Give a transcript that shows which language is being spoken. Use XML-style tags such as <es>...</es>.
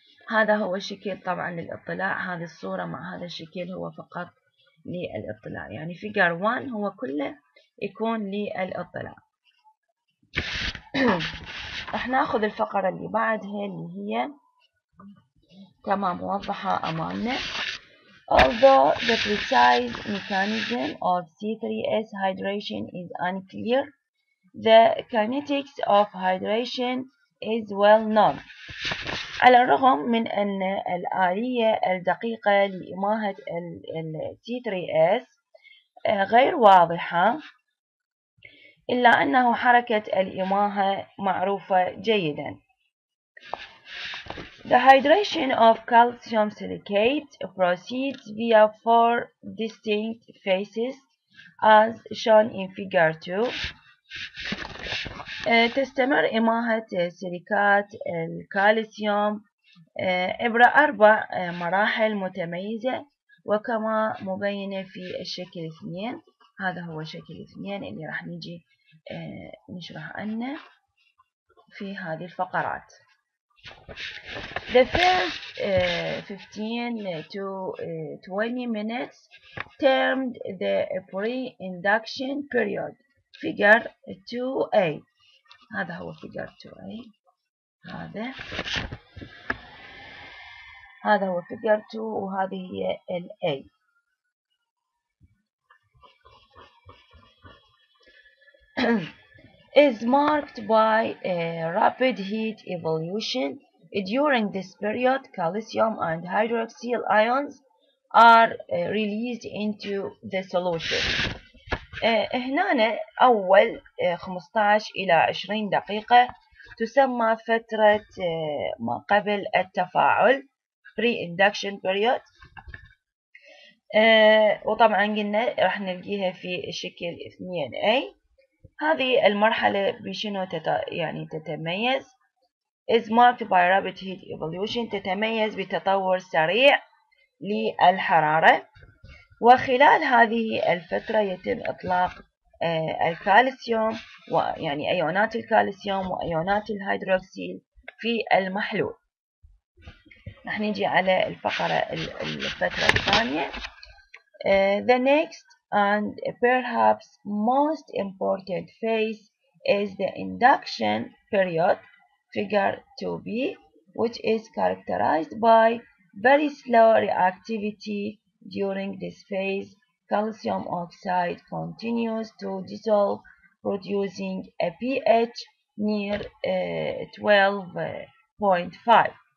<ar>هذا هو الشكل طبعا للإطلاع، هذه الصورة مع هذا الشكل هو فقط للإطلاع، يعني فيجر 1 هو كله يكون للإطلاع. راح ناخذ الفقرة اللي بعدها اللي هي كما موضحة أمامنا.</ar> <en>Although the precise mechanism of C3S hydration is unclear, the kinetics of hydration is well known.</en> <ar>على الرغم من أن الآلية الدقيقة لإماهة ال C3S غير واضحة، إلا أنه حركة الإماهة معروفة جيدا.</ar> <en>The hydration of calcium silicate proceeds via four distinct phases as shown in figure 2.</en> <ar>تستمر إماهة سيليكات الكالسيوم عبر أربع مراحل متميزة وكما مبينة في الشكل 2. هذا هو شكل 2 اللي راح نجي نشرح عنه في هذه الفقرات.</ar> <en>The first 15 to 20 minutes termed the pre-induction period. Figure 2A.</en> <ar>هذا هو figure 2A. هذا هو figure 2 وهذه هي الA.</ar> <en>is marked by a rapid heat evolution. During this period, calcium and hydroxyl ions are released into the solution.</en> <ar>هنا أول 15 إلى 20 دقيقة تسمى فترة ما قبل التفاعل pre-induction period. وطبعا قلنا راح نلقيها في شكل 2A. هذه المرحلة بشنو يعني تتميز؟</ar> <en>is marked by rapid heat evolution</en> <ar>تتميز بتطور سريع للحرارة، وخلال هذه الفترة يتم إطلاق الكالسيوم ويعني أيونات الكالسيوم وأيونات الهيدروكسيل في المحلول. رح نجي على الفقرة الفترة الثانية.</ar> <en>The next and perhaps most important phase is the induction period. Figure 2B, which is characterized by very slow reactivity during this phase, calcium oxide continues to dissolve, producing a pH near 12.5.</en>